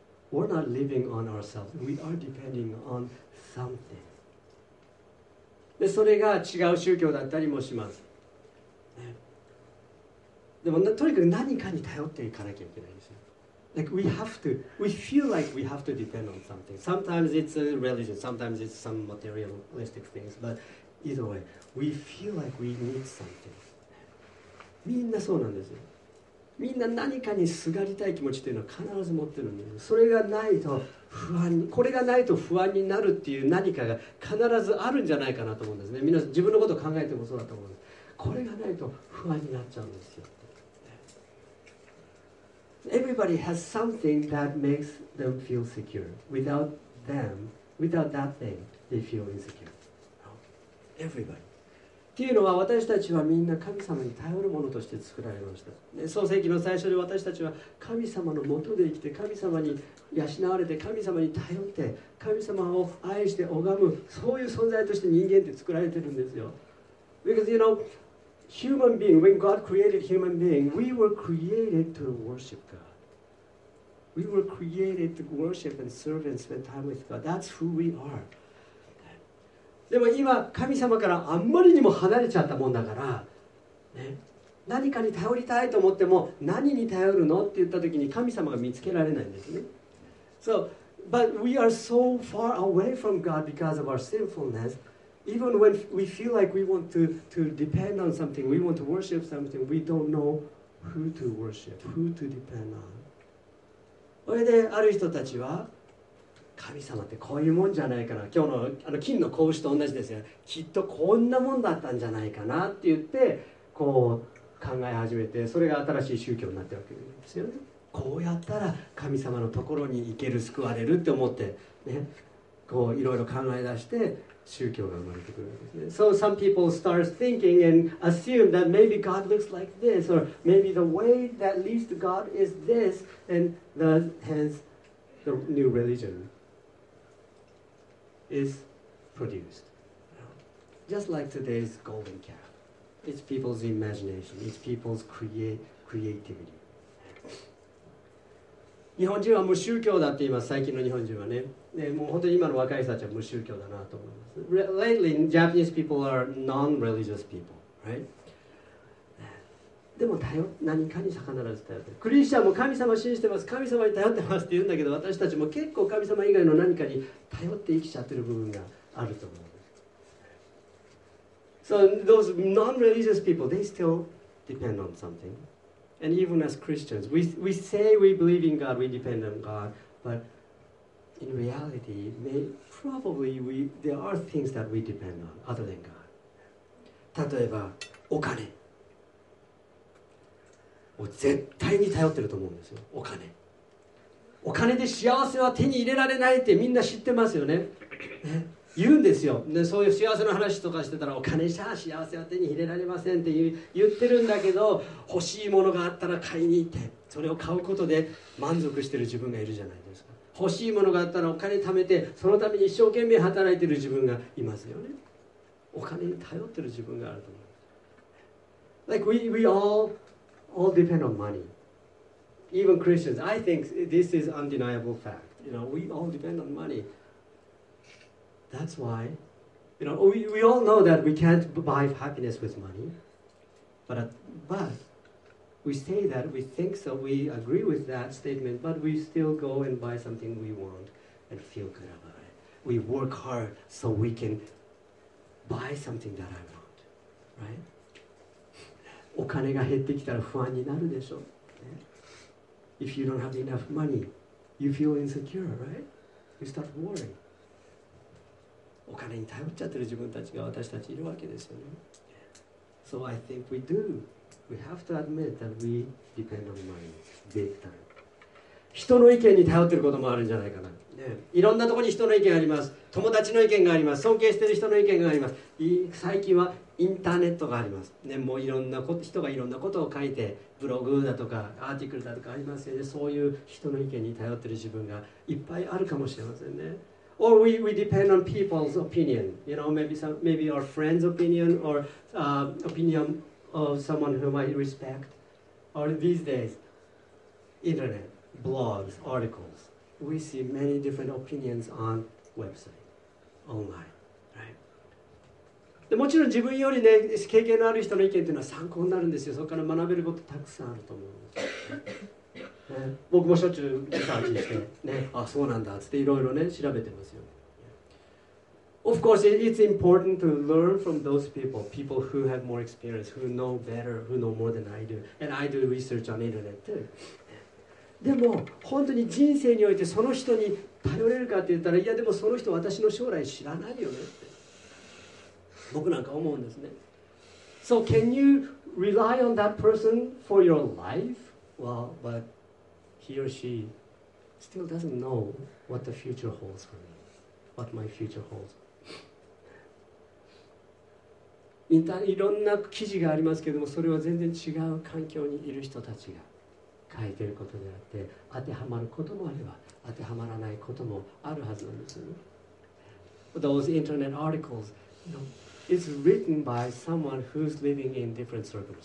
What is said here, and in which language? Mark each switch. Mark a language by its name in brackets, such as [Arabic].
[English] We're not living on ourselves. We are depending on something. [Japanese] で、それが違う宗教だったりもします。ね、でも、とにかく何かに頼っていかなきゃいけないんですよ。 [English] Like we have to, we feel like we have to depend on something. Sometimes it's a religion, sometimes it's some materialistic things. But either way, we feel like we need something. [Japanese] みんなそうなんですよ。みんな何かにすがりたい気持ちっていうのは必ず持ってるんです。それがないと不安に、これがないと不安になるっていう何かが必ずあるんじゃないかなと思うんですね。みんな自分のことを考えてもそうだと思うんです。これがないと不安になっちゃうんですよ。 [English] Everybody has something that makes them feel secure. Without them, without that thing, they feel insecure. Everybody. [Japanese] っていうのは、私たちはみんな神様に頼るものとして作られました。創世記の最初で私たちは神様のもとで生きて、神様に養われて、神様に頼って、神様を愛して拝む、そういう存在として人間って作られてるんですよ。 [English] Because, you know, human being, when God created human being, we were created to worship God. We were created to worship and serve and spend time with God. That's who we are. [Japanese] でも今神様からあんまりにも離れちゃったもんだから、ね、何かに頼りたいと思っても何に頼るのって言った時に神様が見つけられないんですね。 [English] So, but we are so far away from God because of our sinfulness. Even when we feel like we want to depend on something, we want to worship something, we don't know who to worship, who to depend on. [Japanese] それである人たちは神様ってこういうもんじゃないかな、今日 あの金の子牛と同じですよ、きっとこんなもんだったんじゃないかなって言ってこう考え始めて、それが新しい宗教になってるわけですよね。こうやったら神様のところに行ける、救われるって思って、ね、こういろいろ考え出して宗教が生まれてくるわけですね。 [English] So some people start thinking and assume that maybe God looks like this, or maybe the way that leads to God is this, and thus hence the new religionis produced. Just like today's golden calf. It's people's imagination. It's people's creativity. [Japanese] 日本人は無宗教だって言います。最近の日本人はね。ね、もう本当に今の若い人たちは無宗教だなと思います。 [English] Lately, Japanese people are non-religious people, right? [Japanese] でも頼、何かに必ず頼ってる。クリスチャンも神様信じてます、神様に頼ってますって言うんだけど、私たちも結構神様以外の何かに頼って生きちゃってる部分があると思う。 [English] So those non-religious people, they still depend on something. And even as Christians, we say we believe in God, we depend on God, but in reality, there are things that we depend on other than God. [Japanese] 例えばお金。絶対に頼ってると思うんですよ。お金、お金で幸せは手に入れられないってみんな知ってますよ ね言うんですよ、ね、そういう幸せの話とかしてたら、お金じゃ幸せは手に入れられませんって言ってるんだけど、欲しいものがあったら買いに行ってそれを買うことで満足してる自分がいるじゃないですか。欲しいものがあったらお金貯めてそのために一生懸命働いてる自分がいますよね。お金に頼ってる自分があると思う。 [English] Like we all depend on money. Even Christians, I think this is undeniable fact. You know, we all depend on money. That's why, you know, we all know that we can't buy happiness with money. But we say that, we think so, we agree with that statement, but we still go and buy something we want and feel good about it. We work hard so we can buy something that I want. Right? [Japanese] お金が減ってきたら不安になるでしょう。 [English] If you don't have enough money, you feel insecure, right? You start worrying. [Japanese] お金に頼っちゃってる自分たちが私たちいるわけですよね。 [English] So I think we do. We have to admit that we depend on money big time. [Japanese] 人の意見に頼ってることもあるんじゃないかな。ね、いろんなところに人の意見があります。友達の意見があります。尊敬してる人の意見があります。最近はインターネットがあります。ね、もういろんな人がいろんなことを書いて、ブログだとかアーティクルだとかありますよね。そういう人の意見に頼ってる自分がいっぱいあるかもしれませんね。 [English] Or we depend on people's opinion. You know, maybe our friend's opinion or opinion of someone whom I respect. Or these days, internet, blogs, articles. We see many different opinions on website, online, right? [Japanese] でもちろん自分よりね、経験のある人の意見というのは参考になるんですよ。そこから学べることたくさんあると思うんですよ。ね、僕もしょっちゅうリサーチして、ね、あ、そうなんだっつっていろいろね調べてますよ。 [English] Of course it's important to learn from those people, people who have more experience, who know better, who know more than I do, and I do research on internet too. [Japanese] でも本当に人生においてその人に頼れるかって言ったら、いやでもその人私の将来知らないよねって僕なんか思うんですね。 [English] So can you rely on that person for your life? Well, butHe or she still doesn't know what the future holds for me, what my future holds. [Japanese] いろんな記事がありますけれども、それは全然違う環境にいる人たちが書いていることであって、当てはまることもあれば、当てはまらないこともあるはずなんですよね。 [English] Those internet articles, you know, it's written by someone who's living in different circumstances.